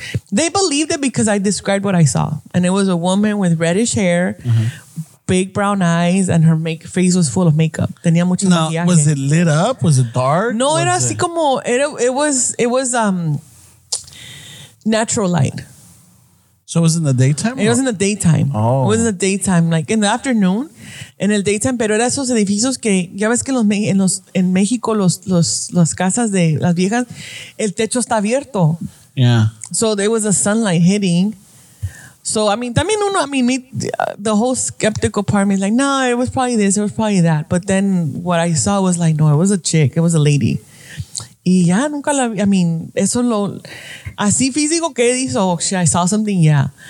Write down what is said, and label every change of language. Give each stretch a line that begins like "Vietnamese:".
English: They believed it because I described what I saw. And it was a woman with reddish hair, big brown eyes, and her face was full of makeup.
Spanish: Tenía mucho maquillaje.
English: Was it lit up? Was it dark?
Spanish: No, era así como,
English: it was natural light. So it was in the daytime? It was in the daytime. Oh. It was in the daytime, like in the afternoon, en el daytime.
Spanish: Pero era esos edificios que, ya ves que en México, los casas de las viejas, el techo está abierto.
English: Yeah. So there was a sunlight hitting. So, I mean, también uno, I mean, me, the whole skeptical part of me is like, no, it was probably this, it was probably that. But then what I saw was like, no, it was a chick, it was a lady.
Spanish: Y ya nunca la vi, I mean, eso lo, así físico que hizo,
English: oh, shit, I saw something, yeah.